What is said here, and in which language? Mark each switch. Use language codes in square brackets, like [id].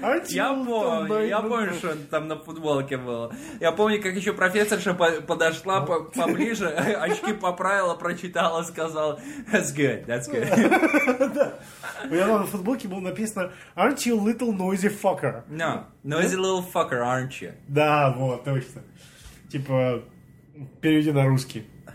[ru] Я помню, что там на футболке было. Я помню, как еще профессорша подошла поближе, очки поправила, прочитала, сказала, [en] that's good, that's good. [ru] У меня на футболке было написано, [en] aren't you little noisy fucker? No, noisy little fucker, aren't you? [ru] Да, вот, точно. Типа, переведи на русский.